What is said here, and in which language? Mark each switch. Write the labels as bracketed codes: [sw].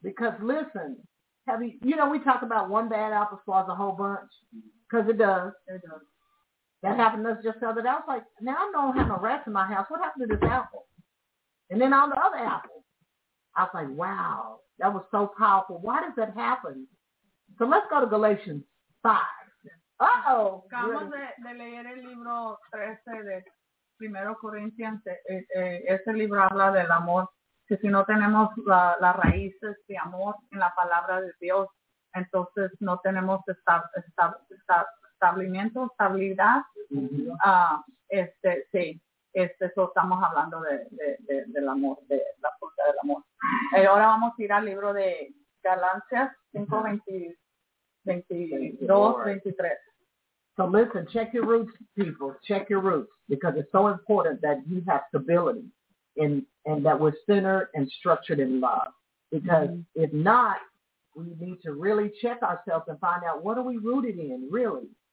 [en] Because listen, have you know, we talk about one bad apple spoils a whole bunch. Because it does. That happened to us just the other day. I was like, now I don't have no rats in my house. What happened to this apple? And then all the other apples. I was like, wow, that was so powerful. Why does that happen? So let's go to Galatians 5. Uh-oh. [es] Acabamos de leer el libro 13 de Primero Corintios. Ese libro habla del amor. Que si no tenemos las raíces de amor en la palabra de Dios, entonces no tenemos estabilidad. Mm-hmm. Eso estamos hablando del amor, de la fruta del amor. Ahora vamos a ir al libro de Galatas 5:22-23. [en] So listen, check your roots, people. Check your roots, because it's so important that you have stability and that we're centered and structured in love. Because mm-hmm. if not, we need to really check ourselves and find out what are we rooted in, really.